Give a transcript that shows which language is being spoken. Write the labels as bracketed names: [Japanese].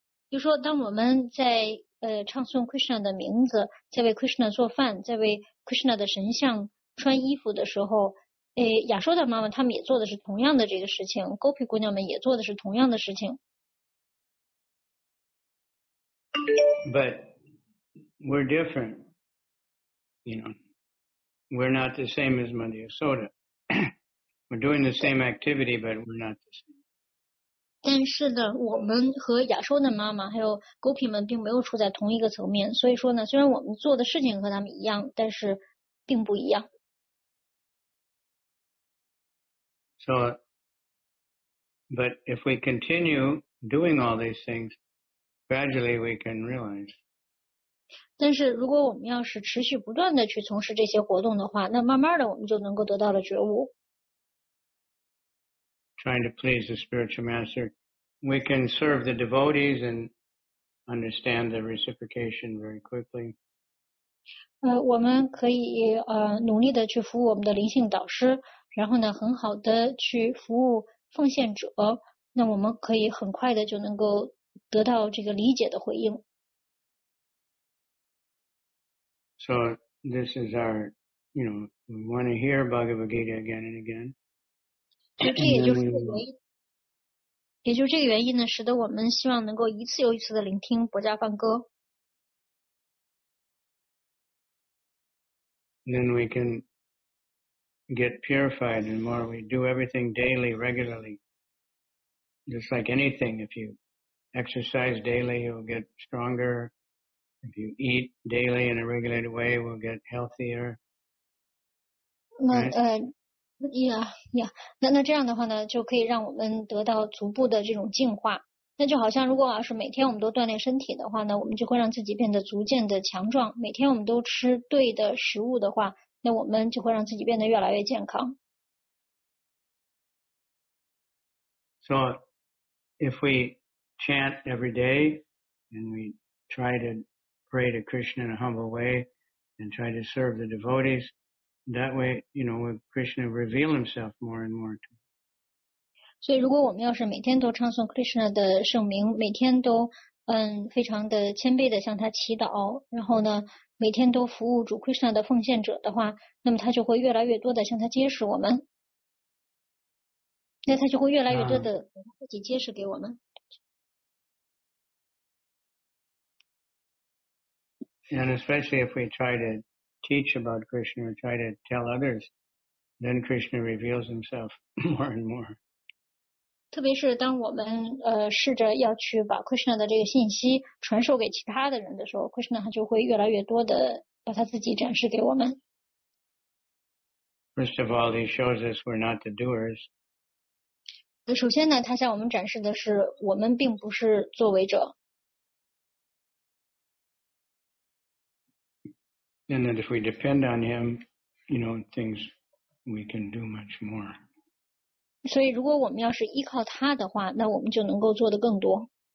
[Chinese] 比如说当我们在唱诵 Krishna 的名字，在为 Krishna 做饭，在为 Krishna 的神像穿衣服的时候，亚瑟的妈妈他们也做的是同样的这个事情，勾皮姑娘们也做的是同样的事情。 [English] But we're different, you know. We're not the same as Mother Yasoda. We're doing the same activity, but we're not the same. [Chinese] 但是呢，我们和亚瑟的妈妈还有勾皮们并没有处在同一个层面，所以说呢，虽然我们做的事情和他们一样，但是并不一样。 [English] So, but if we continue doing all these things, gradually we can realize. [Chinese] 但是如果我们要是持续不断的去从事这些活动的话，那慢慢的我们就能够得到了觉悟。 [English] trying to please the spiritual master. We can serve the devotees and understand the reciprocation very quickly. [Chinese] 我们可以努力的去服务我们的灵性导师，然后呢，很好的去服务奉献者，那我们可以很快的就能够得到这个理解的回应。 [English] So this is our, you know, we want to hear Bhagavad Gita again and again. [Chinese] 就这也就是我们。也就是这个原因呢，使得我们希望能够一次又一次的聆听薄伽梵歌。 [English] Then we can get purified, and more we do everything daily, regularly. Just like anything, if you exercise daily, you'll get stronger. If you eat daily in a regulated way, we'll get healthier. Yeah. [Chinese] 那这样的话呢，就可以让我们得到逐步的这种进化。那就好像如果要是每天我们都锻炼身体的话呢，我们就会让自己变得逐渐的强壮。每天我们都吃对的食物的话，那我们就会让自己变得越来越健康。 [English] So, if we chant every day and we try to pray to Krishna in a humble way and try to serve the devotees,That way, you know, Krishna will reveal himself more and more. [Chinese] 所以如果我们要是每天都唱诵 Krishna 的圣名，每天都非常的谦卑的向他祈祷，然后呢，每天都服务主 Krishna 的奉献者的话，那么他就会越来越多的向他揭示我们。那他就会越来越多的自己揭示给我们。 [English] And especially if we try to teach about Krishna or try to tell others, then Krishna reveals himself more and more. [Chinese] 特别是当我们试着要去把 Krishna 的这个信息传授给其他的人的时候， Krishna 他就会越来越多的把他自己展示给我们。 [English] First of all, he shows us we're not the doers. [Chinese] 首先呢，他向我们展示的是我们并不是作为者。 [English] And that if we depend on him, you know, things we can do much more. [Chinese] 所以如果我们要是依靠他的话，那我们就能够做得更多。